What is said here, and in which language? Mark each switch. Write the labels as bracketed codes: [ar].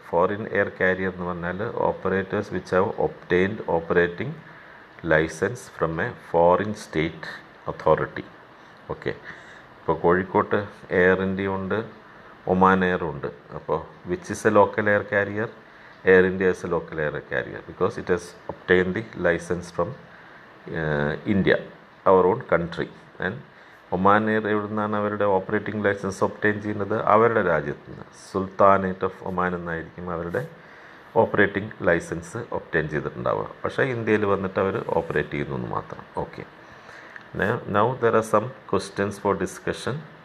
[en] foreign air carrier [ml] എന്ന് പറഞ്ഞാൽ [en] Operators which have obtained operating license from a foreign state authority. [ml] Okay, ഇപ്പോൾ കോഴിക്കോട്ട് air India ഉണ്ട്, Oman air ഉണ്ട്. അപ്പോൾ [en] Which is a local air carrier? Air India is a local air carrier because it has obtained the license from India, our own country. [ml] And Oman Air, എവിടുന്നാണ് അവരുടെ operating licence obtain ചെയ്യുന്നത്? അവരുടെ രാജ്യത്ത് നിന്ന്, sultanate of Oman എന്നായിരിക്കും അവരുടെ operating licence obtain ചെയ്തിട്ടുണ്ടാവുക. പക്ഷേ ഇന്ത്യയിൽ വന്നിട്ട് അവർ ഓപ്പറേറ്റ് ചെയ്യുന്നു എന്ന് മാത്രം. Okay, [en] Now there are some questions for discussion.